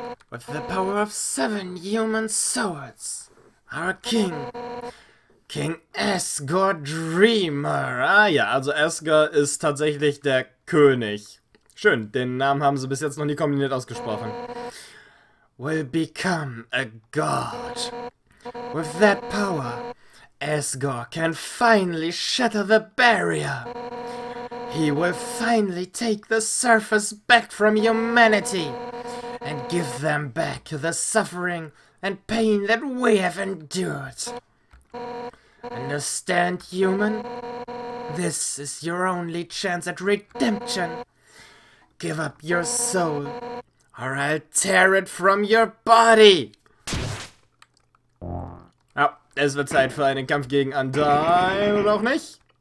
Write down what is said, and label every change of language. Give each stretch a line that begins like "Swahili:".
English: With the power of seven human souls, our king. King Asgore Dreamer.
German: Ah ja, also Asgore ist tatsächlich der König. Schön, den Namen haben sie bis jetzt noch nie kombiniert ausgesprochen.
English: Will become a god. With that power, Asgore can finally shatter the barrier. He will finally take the surface back from humanity and give them back the suffering and pain that we have endured. Understand, human? This is your only chance at redemption. Give up your soul, or I'll tear it from your body!
German: Ja, es wird Zeit für einen Kampf gegen Undyne, oder auch nicht?